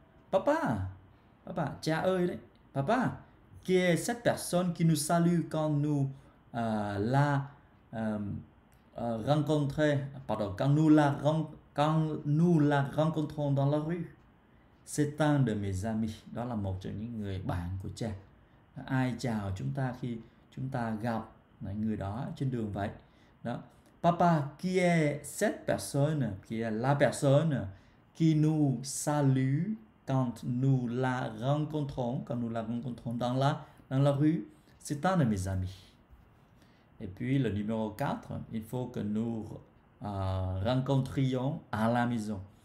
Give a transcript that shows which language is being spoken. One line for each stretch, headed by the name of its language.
French: Papa, papa, tiens, papa, qui est cette personne qui nous salue quand nous quand nous la rencontrons dans la rue? C'est un de mes amis.
Vietnamese: Đó là một trong những người bạn của cha. Ai chào chúng ta khi chúng ta gặp người đó trên đường vậy đó.
French: Papa, qui est cette personne, qui est la personne qui nous salue quand nous la rencontrons, dans la rue? C'est un de mes amis. Et puis le numéro 4, il faut que nous rencontrions à la maison.